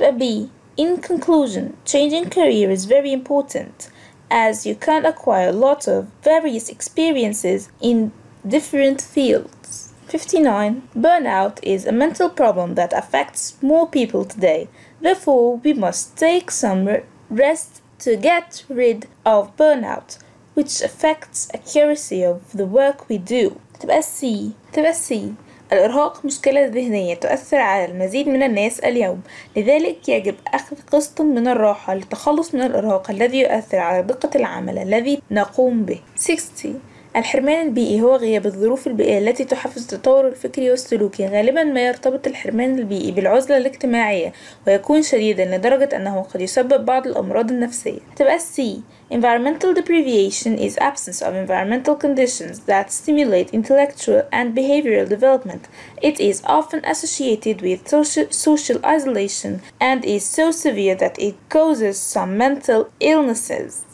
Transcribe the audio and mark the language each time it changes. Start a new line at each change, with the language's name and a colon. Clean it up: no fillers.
English: B. In conclusion, changing career is very important as you can acquire a lot of various experiences in different fields. 59. Burnout is a mental problem that affects more people today. Therefore, we must take some rest to get rid of burnout. which affects accuracy of the work we do.
Arabic: تبقى C. الإرهاق مشكلة ذهنية تؤثر على المزيد من الناس اليوم، لذلك يجب أخذ قسط من الراحة للتخلص من الإرهاق الذي يؤثر على دقة العمل الذي نقوم به.
English: 60.
Arabic: الحرمان البيئي هو غياب الظروف البيئية التي تحفز التطور الفكري والسلوكي. غالبا ما يرتبط الحرمان البيئي بالعزلة الاجتماعية ويكون شديدا لدرجة أنه قد يسبب بعض الأمراض النفسية. تبقى C.
English: Environmental deprivation is absence of environmental conditions that stimulate intellectual and behavioral development. It is often associated with social isolation and is so severe that it causes some mental illnesses.